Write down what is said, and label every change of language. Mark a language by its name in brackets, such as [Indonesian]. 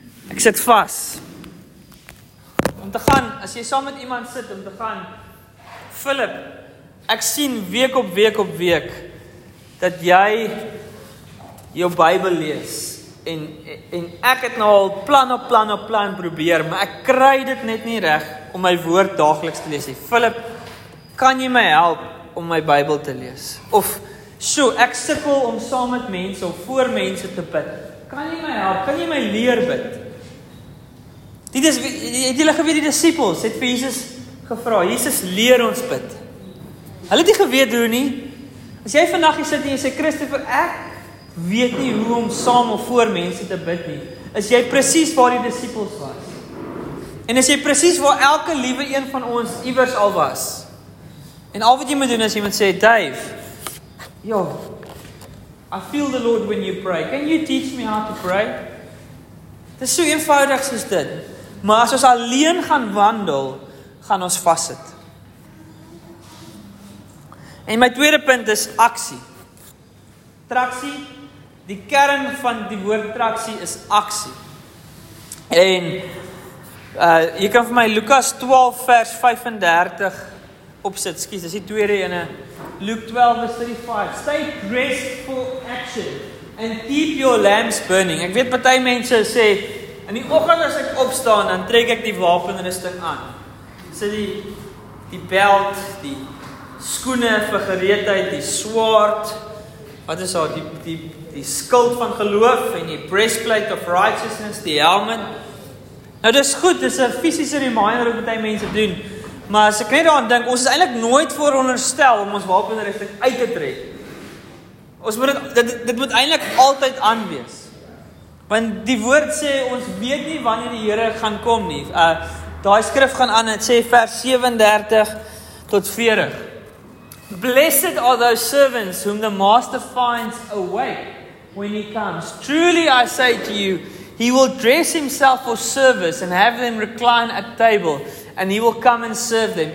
[Afrikaans] Ek sit vas. Om te gaan, as jy saam met iemand sit, om te gaan, Philip, ek sien week op week op week, dat jy jou Bybel lees, en ek het nou al plan op plan op plan probeer, maar ek kry dit net nie reg, om my woord dagliks te lees. Philip, kan jy my help, om my Bybel te lees? Of, so, ek sukkel om saam met mense, of voor mense te bid. Kan jy my help, kan jy my leer bid? Het julle geweet, die disciples het vir Jesus gevra, Jesus leer ons bid. Hulle het nie geweet hoe nie. As jy vandag hier sit en jy sê, Christopher, ek weet nie hoe om saam of voor mense te bid nie. Is jy precies waar die disciples was? En is jy precies waar elke liewe een van ons iewers al was? En al wat jy moet doen is iemand sê, Dave, [English] yo, I feel the Lord when you pray. Can you teach me how to pray? [Afrikaans] Dit is so eenvoudig soos dit. Maar as ons alleen gaan wandel, gaan ons vassit. En my tweede punt is aksie. Traksie, die kern van die woord traksie is aksie. En jy kan vir my Lukas 12 vers 35 opsit. Skies, dis die tweede ene. Luke 12 vers 35. [English] Stay dressed for action and keep your lamps burning. [Afrikaans] Ek weet party mense sê, in die oggend as ek opstaan, dan trek ek die wapenrusting aan. Sit die belt, die skoene vir gereedheid, die swaard, wat is daar, die skild van geloof, en die [English] breastplate of righteousness, [Afrikaans] die helmet. Nou, dis goed, dis 'n fisiese reminder wat die mense doen, maar as ek net daaraan dink, ons is eintlik nooit vooronderstel om ons wapenrusting uit te trek. Ons moet dit moet eintlik altyd aan wees. Want die woord sê, ons weet nie wanneer die Here gaan kom nie. Daai skrif gaan aan, het sê vers 37 tot 40. [English] Blessed are those servants whom the master finds awake when he comes. Truly I say to you, he will dress himself for service and have them recline at table and he will come and serve them.